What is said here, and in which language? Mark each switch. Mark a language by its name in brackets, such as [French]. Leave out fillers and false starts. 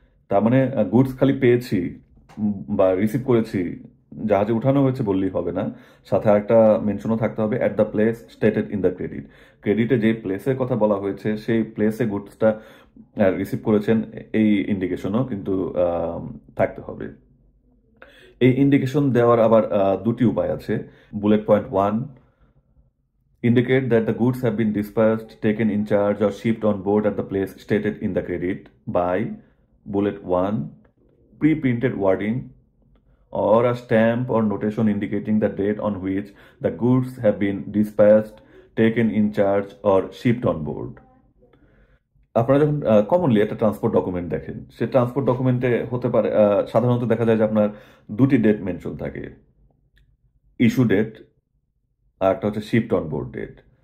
[Bangla] তার মানে গুডস খালি পেয়েছি বা রিসিভ করেছি, জাহাজে উঠানো হয়েছে বললেই হবে না, সাথে একটা মেনশনও থাকতে হবে [English] At the place stated in the credit. [Bangla] ক্রেডিটে যে প্লেসের কথা বলা হয়েছে সেই প্লেসে গুডসটা রিসিভ করেছেন, এই ইন্ডিকেশনও কিন্তু থাকতে হবে। এই ইন্ডিকেশন দেওয়ার আবার দুটি উপায় আছে। [English] Bullet point one, indicate that the goods have been dispatched, taken in charge or shipped on board at the place stated in the credit by, bullet 1, pre-printed wording or a stamp or notation indicating the date on which the goods have been dispatched, taken in charge or shipped on board. [Bangla] আপনারা যখন commonly একটা transport document দেখেন, সে transport ডকুমেন্টে হতে পারে সাধারণত দেখা যায় যে আপনার দুটি ডেট মেনশন থাকে, ইস্যু ডেট আর একটা হচ্ছে শিপড অন বোর্ড ডেট।